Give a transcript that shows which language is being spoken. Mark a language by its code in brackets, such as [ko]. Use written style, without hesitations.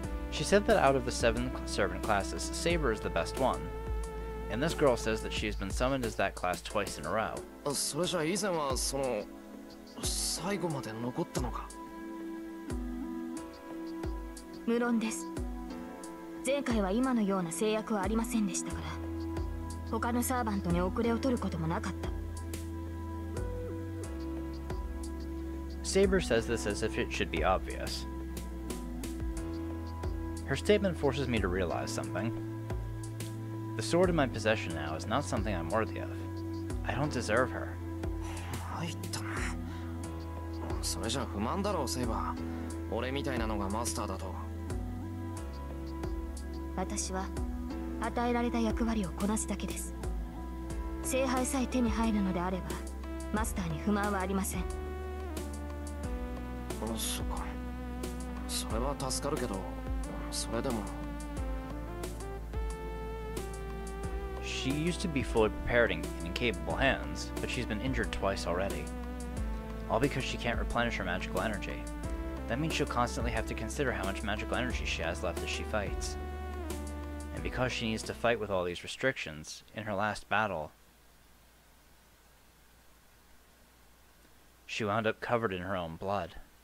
[en] She said that out of the seven servant classes, Saber is the best one. And this girl says that she's been summoned as that class twice in a row. [ja] それじゃ以前はその最後まで残ったのか。無論です。前回は今のような制約はありませんでしたから、他のサーヴァントに遅れを取ることもなかった。 [en] Saber says this as if it should be obvious. Her statement forces me to realize something. The sword in my possession now is not something I'm worthy of. I don't deserve her. [ja] まいったな。それじゃ不満だろう、セーバー。俺みたいなのがマスターだと。私は与えられた役割をこなすだけです。聖杯さえ手に入るのであればマスターに不満はありません。あ、そっか。それは助かるけど、それでも。 [en] She used to be fully prepared and in capable hands, but she's been injured twice already. All because she can't replenish her magical energy. That means she'll constantly have to consider how much magical energy she has left as she fights. Because she needs to fight with all these restrictions, in her last battle, she wound up covered in her own blood.